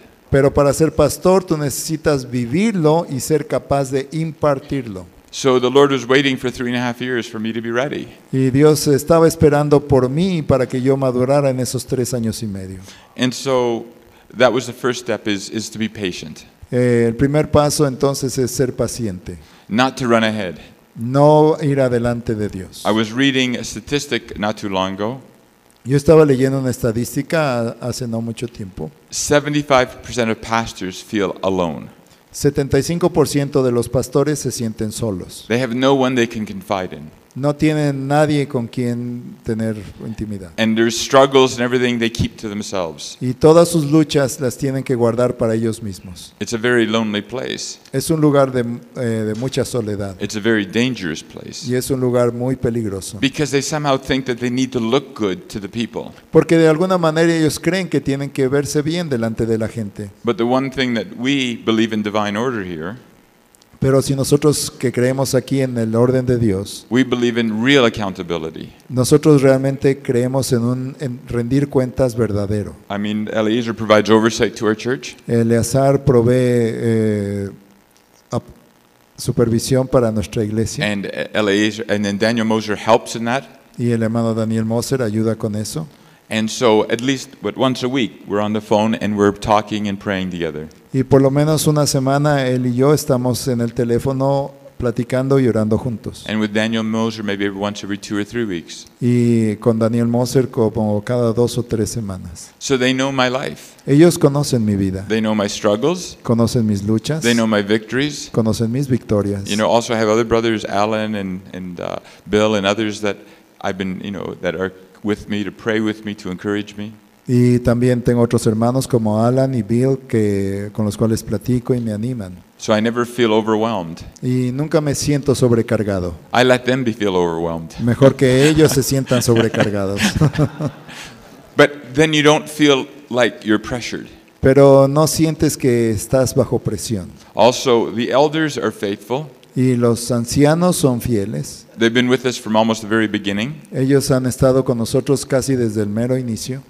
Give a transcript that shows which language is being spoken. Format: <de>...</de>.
<es>Pero para ser pastor tú necesitas vivirlo y ser capaz de impartirlo.</es> <en>So the Lord was waiting for 3.5 years for me to be ready.</en> <es>Y Dios estaba esperando por mí para que yo madurara en esos 3 años y medio.</es> <en>And so that was the first step is to be patient.</en> <es>El primer paso entonces es ser paciente.</es> <en>Not to run ahead.</en> <es>No ir adelante de Dios.</es> <en>I was reading a statistic not too long ago.</en> <es>Yo estaba leyendo una estadística hace no mucho tiempo.</es> <en>75% of pastors feel alone.</en> <es>75% de los pastores se sienten solos.</es> <en>They have no one they can confide in.</en> <es>No tienen nadie con quien tener intimidad.</es> <en>And their struggles and everything they keep to themselves.</en> <es>Y todas sus luchas las tienen que guardar para ellos mismos.</es> <en>It's a very lonely place.</en> <es>Es un lugar de mucha soledad.</es> <en>It's a very dangerous place.</en> <es>Y es un lugar muy peligroso.</es> <en>Because they somehow think that they need to look good to the people.</en> <es>Porque de alguna manera ellos creen que tienen que verse bien delante de la gente.</es> <en>But the one thing that we believe in divine order here.</en> <es>Pero si nosotros que creemos aquí en el orden de Dios,</es> <en>we believe in real accountability.</en> <es>Nosotros realmente creemos en rendir cuentas verdadero.</es> <en>I mean, Eliezer provides oversight to our church.</en> <es>Eleazar provee supervisión para nuestra iglesia.</es> <en>And Eliezer, and then Daniel Moser helps in that.</en> <es>Y el hermano Daniel Moser ayuda con eso.</es> <en>And so at least but once a week we're on the phone and we're talking and praying together.</en> <es>Y por lo menos una semana él y yo estamos en el teléfono platicando y orando juntos.</es> <en>And with Daniel Moser maybe once every 2 or 3 weeks.</en> <es>Y con Daniel Moser como cada 2 o 3 semanas.</es> <en>So they know my life.</en> <es>Ellos conocen mi vida.</es> <en>They know my struggles.</en> <es>Conocen mis luchas.</es> <en>They know my victories.</en> <es>Conocen mis victorias.</es> <en>You know, also I have other brothers, Alan and Bill and others that I've been, you know, that are with me, to pray with me, to encourage me.</en> <es>Y también tengo otros hermanos como Alan y Bill que con los cuales platico y me animan.</es> <en>So I never feel overwhelmed.</en> <es>Y nunca me siento sobrecargado.</es> <en>I let them feel overwhelmed.</en> <es>Mejor que ellos se sientan sobrecargados.</es> <en>But then you don't feel like you're pressured.</en> <es>Pero no sientes que estás bajo presión.</es> <en>Also, the elders are faithful.</en> <es>Y los ancianos son fieles.</es> <en>They've been with us from almost the very beginning.</en> <es>Ellos han estado con nosotros casi desde el mero inicio.</es>